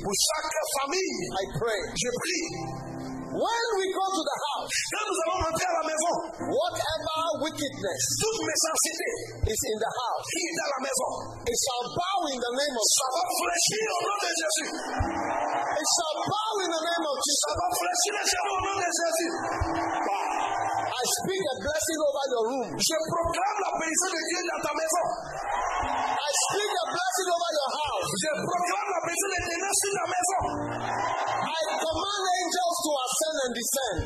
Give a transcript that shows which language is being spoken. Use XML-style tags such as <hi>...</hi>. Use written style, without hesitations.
<fr>Pour chaque famille.</fr> <en>I pray.</en> <fr>Je prie.</fr> <en>When we go to the house,</en> <fr>quand nous allons entrer à la maison,</fr> <en>whatever wickedness,</en> <fr>toute méchanceté,</fr> <en>is in the house,</en> <fr>qui est dans la maison,</fr> <en>it shall bow in the name of</en> <fr>Jesus. Ça va fléchir au nom de Jésus.</fr> <en>It shall bow in the name of Jesus.</en> <fr>Ça va fléchir les genoux au nom de Jésus.</fr> <en>I speak a blessing over your room.</en> <fr>Je proclame la bénédiction de Dieu dans ta maison.</fr> <en>I speak a blessing over your house.</en> <fr>Je proclame la bénédiction de Dieu dans ta maison.</fr> <en>I command angels to ascend and descend.</en>